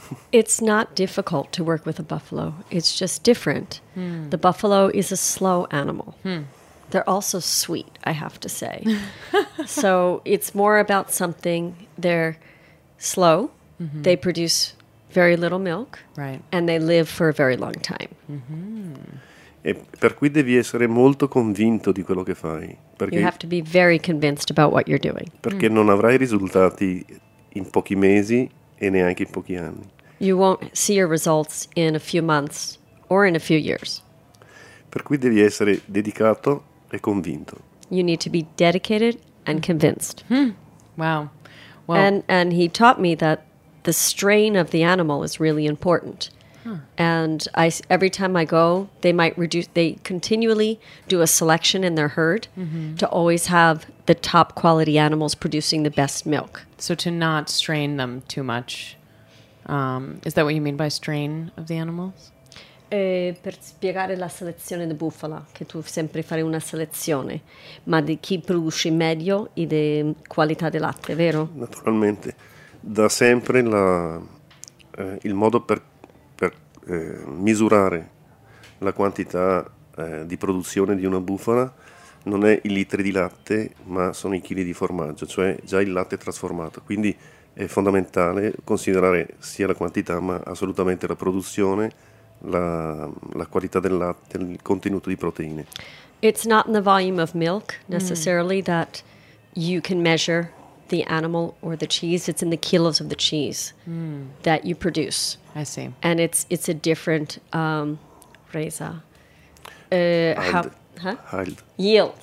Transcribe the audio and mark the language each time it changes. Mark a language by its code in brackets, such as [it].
[en] It's not difficult to work with a buffalo. It's just different. Mm. The buffalo is a slow animal. Mm. They're also sweet, I have to say. So it's more about something. They're slow. Mm-hmm. They produce very little milk. Right. And they live for a very long time. Mm-hmm. [it] E per cui devi essere molto convinto di quello che fai. [en] Perché you have to be very convinced about what you're doing. [it] Perché non avrai risultati in pochi mesi e neanche in pochi anni. [en] You won't see your results in a few months or in a few years. [it] Per cui devi essere dedicato e convinto. [en] You need to be dedicated and convinced. Hmm. Wow. Well, and he taught me that the strain of the animal is really important. Huh. And I, every time I go, they might reduce. They continually do a selection in their herd mm-hmm. to always have the top quality animals producing the best milk. So to not strain them too much. Is that what you mean by strain of the animals? [it] Per spiegare la selezione di bufala, che tu sempre fai una selezione, ma di chi produce meglio e di qualità del latte, vero? Naturalmente. Da sempre il modo per misurare la quantità di produzione di una bufala non è i litri di latte, ma sono i chili di formaggio, cioè già il latte trasformato. Quindi è fondamentale considerare sia la quantità, ma assolutamente la produzione, la qualità del latte, il contenuto di proteine. [en] It's not in the volume of milk necessarily mm. that you can measure the animal or the cheese. It's in the kilos of the cheese mm. that you produce. I see. And it's a different resa. Yield.